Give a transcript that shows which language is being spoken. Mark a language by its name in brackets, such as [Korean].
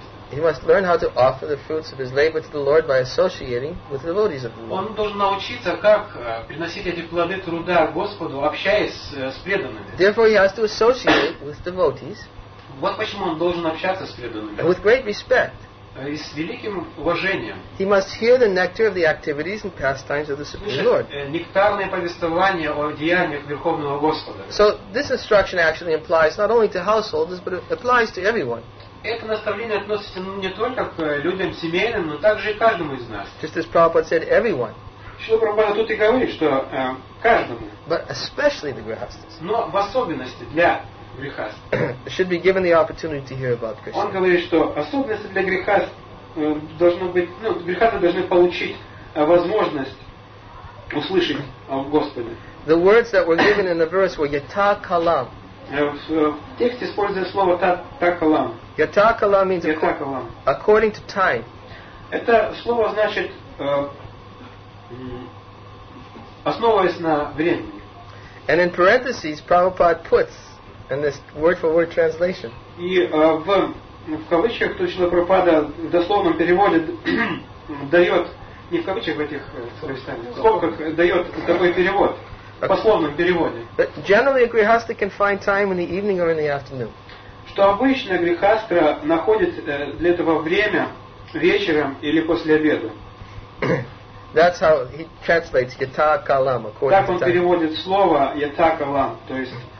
[English] He must learn how to offer the fruits of his labor to the Lord by associating with the devotees of the Lord. [Russian] Он должен научиться, как приносить эти плоды труда Господу, общаясь с преданными. [English] Therefore he has to associate with devotees. [Russian] Вот почему он должен общаться с преданными. [English] With great respect. [Russian] И с великим уважением. [English] He must hear the nectar of the activities and pastimes of the Supreme Lord. [Russian] Нектарное повествование о деяниях Верховного Господа. [English] So this instruction actually applies not only to householders, but it applies to everyone. [Russian] Это наставление относится не только к людям семейным, но также и каждому из нас. [English] Just as Prabhupada said, everyone. [Russian] Шрила Прабхупада тут и говорит, что каждому. [English] But especially the grihasthas. [Russian] Но в особенности для [English] should be given the opportunity to hear about Krishna. [Russian] Он говорит, что особенности для грехаст должно быть, ну, грехасты должны получить возможность услышать о Господе. [English] The words that were given in the verse were yata kalam. [Russian] В тексте используется слово та калам. [English] Yata kalam means according to time. [Russian] Это слово значит основываясь на времени. [English] And in parentheses, Prabhupada puts and this word-for-word translation. [Russian] И в кавычках то, что Прабхупада в дословном переводе дает, не в кавычках в этих словах, сколько дает такой перевод, в пословном переводе. [English] But generally a grihastha can find time in the evening or in the afternoon. [Russian] Что обычно грихастра находит для этого время вечером или после обеда. [English] That's how he translates yata kalam, according to time. [Russian] Так он переводит слово yata kalam, то есть